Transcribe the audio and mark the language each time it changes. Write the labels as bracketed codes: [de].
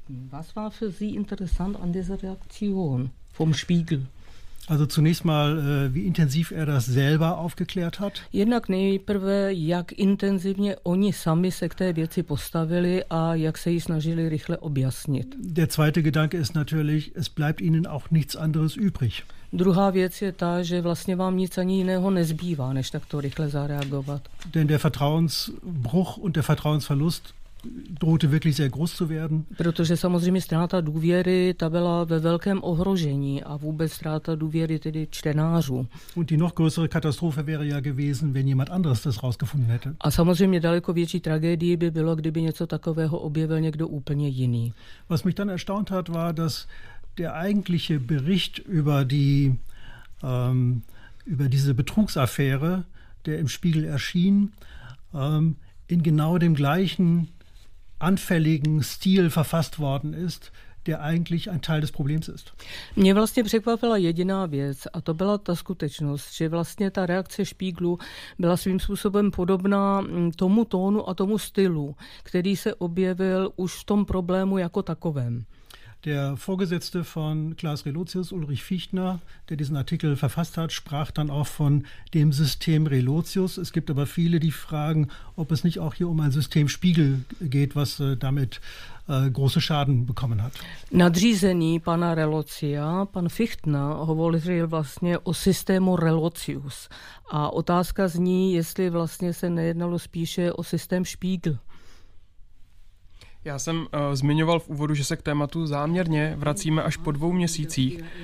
[de] Was war für Sie interessant an dieser Reaktion vom Spiegel? Also zunächst mal, wie intensiv das selber aufgeklärt hat. [cs] Jednak nejprve, jak intenzivně oni sami se k té věci postavili a jak se ji snažili rychle objasnit. [de] Der zweite Gedanke ist natürlich, es bleibt ihnen auch nichts anderes übrig. [cs] Druhá věc je ta, že vlastně vám nic ani jiného nezbývá, než takto rychle zareagovat. [de] Denn der Vertrauensbruch und der Vertrauensverlust drohte wirklich sehr groß zu werden. [cs] Protože samozřejmě ztráta důvěry, ta byla ve velkém ohrožení a vůbec ztráta důvěry tedy čtenářů. [de] Und die noch größere Katastrophe wäre ja gewesen, wenn jemand anderes das rausgefunden hätte. [cs] A samozřejmě daleko větší tragédie by bylo, kdyby něco takového objevil někdo úplně jiný. [de] Was mich dann erstaunt hat, war, dass der eigentliche Bericht über diese Betrugsaffäre, der im Spiegel erschien, in genau dem gleichen anfälligen Stil verfasst worden ist, der eigentlich ein Teil des Problems ist. [cs] Mě vlastně překvapila jediná věc, a to byla ta skutečnost, že vlastně ta reakce Spiegelu byla svým způsobem podobná tomu tónu a tomu stylu, který se objevil už v tom problému jako takovém. [de] Der Vorgesetzte von Klaas Relotius, Ulrich Fichtner, der diesen Artikel verfasst hat, sprach dann auch von dem System Relotius. Es gibt aber viele, die fragen, ob es nicht auch hier um ein System Spiegel geht, was damit große Schaden bekommen hat. [cs] Nadřízený pana Relotia, pan Fichtner, hovořil vlastně o systému Relotius. A otázka zní, jestli vlastně se nejednalo spíše o systém Spiegel. Já jsem zmiňoval v úvodu, že se k tématu záměrně vracíme až po dvou měsících.